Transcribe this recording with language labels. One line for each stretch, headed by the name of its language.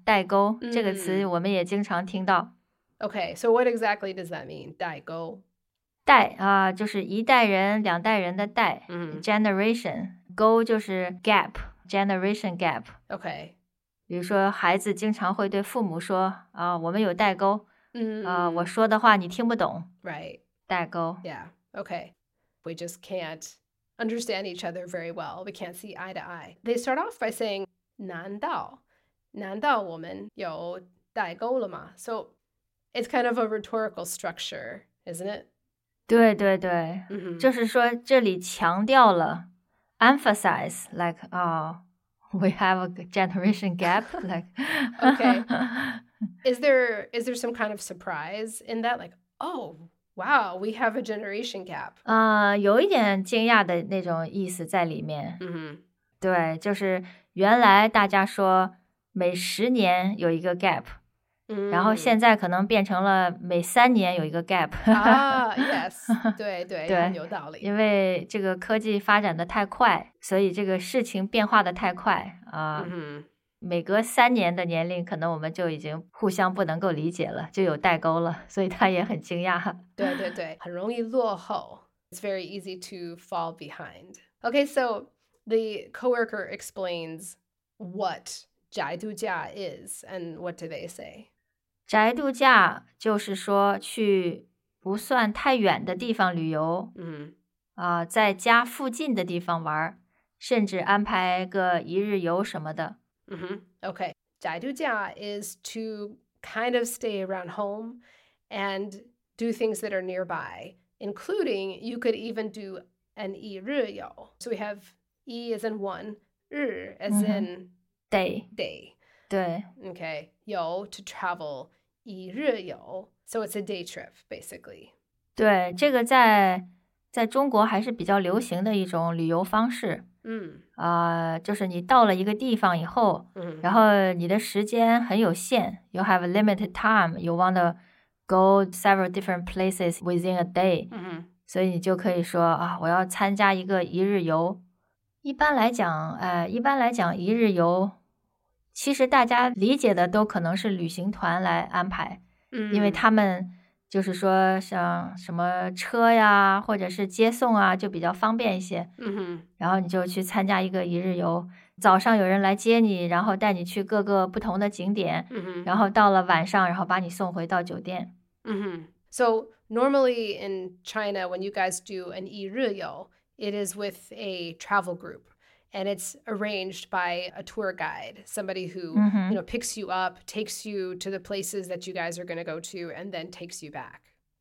Chinese: 代沟,这个词我们也经常听到。
English: Okay, so what exactly does that mean, 代沟?
Chinese: 代啊，就是一代人、两代人的代、，generation， 沟就是 gap， generation gap。
English: OK，
Chinese: 比如说孩子经常会对父母说啊，我们有代沟，我说的话你听不懂
English: ，right？
Chinese: 代沟
English: ，yeah。 OK， we just can't understand each other very well. We can't see eye to eye. They start off by saying，
Chinese: 难道我们有代沟了吗
English: ？So it's kind of a rhetorical structure， isn't it？
Chinese: 对对对、 mm-hmm. 就是说这里强调了
English: emphasize like we have a generation gap like okay is there some kind of surprise in that like oh wow we have a generation gap
Chinese: 有一点惊讶的那种意思在里面、 mm-hmm. 对就是原来大家说每十年有一个 gap然后现在可能变成了每三年有一个 gap 啊、yes 对对对有道理因为这个科技发展的太快所以这个事情变化的太快 mm-hmm. 每隔三年的年龄可能我们就已经互相不能够理解了就有代沟了所以他也很惊讶对对对很容易落后
English: It's very easy to fall behind Okay, so the coworker explains what 宅度假 is and what do they say
Chinese: 宅度假就是说去不算太远的地方旅游、在家附近的地方玩甚至安排个一日游什么的。 Mm-hmm.
English: Okay, 宅度假 is to kind of stay around home and do things that are nearby, including you could even do an 一日游。 So we have 一 as in one, 日 as in day. Day.
Chinese: 对。
English: Okay, 游 to travel. 一日游 so it's a day trip, basically.
Chinese: 对，这个在中国还是比较流行的一种旅游方式。就是你到了一个地方以后，然后你的时间很有限 ，
English: you have a limited time.
Chinese: You want to go several different places within a day. 所以你就可以说啊，我要参加一个一日游。一般来讲，一日游其实大家理解的都可能是旅行团来安排，因为他们就是说像什么车呀或者是接送啊就比较方便一些，然后你就去参加一个一日游，早上有人来接你，然后带你去各个不同的景点，然后到了晚上然后把你送回到酒店。
English: So normally in China, when you guys do an 一日游, it is with a travel group, and it's arranged by a tour guide, somebody who, you know, picks you up, takes you to the places that you guys are going to go to, and then takes you back.